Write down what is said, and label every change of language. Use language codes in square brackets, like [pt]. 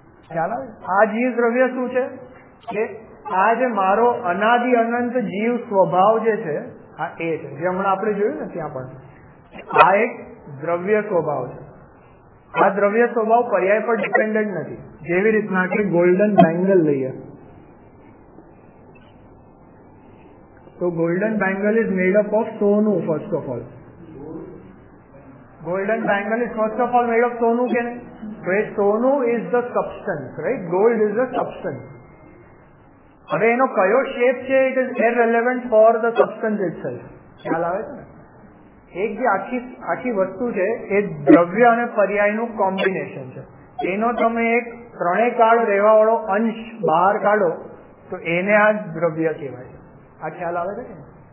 [gu] ખ્યાલ આવે? આ જીવ દ્રવ્ય શું છે? કે આ જે મારો અનાદિ અનંત જીવ સ્વભાવ જે છે, આ એ છે. જે હમણાં આપણે જોયું ને ત્યાં પણ, આ એક દ્રવ્ય સ્વભાવ છે. આ દ્રવ્ય સ્વભાવ પર્યાય પર ડિપેન્ડન્ટ નથી. જેવી રીતના કે ગોલ્ડન બેંગલ લઈએ, [en] So golden bangle is made up of sonu first of all. Golden bangle is first of all made of sonu, can it? Sonu is the substance, right? Gold is the substance. [gu] હવે એનો કયો shape છે [en] It is irrelevant for the substance itself. [gu] ખ્યાલ આવે છે ને? એક જે આખી આખી વસ્તુ છે એ દ્રવ્ય અને પર્યાયનું કોમ્બિનેશન છે. એનો તમે એક ત્રણેય કાળ રહેવા વાળો અંશ બહાર કાઢો તો એને આ દ્રવ્ય કહેવાય. આ ખ્યાલ આવે છે ને?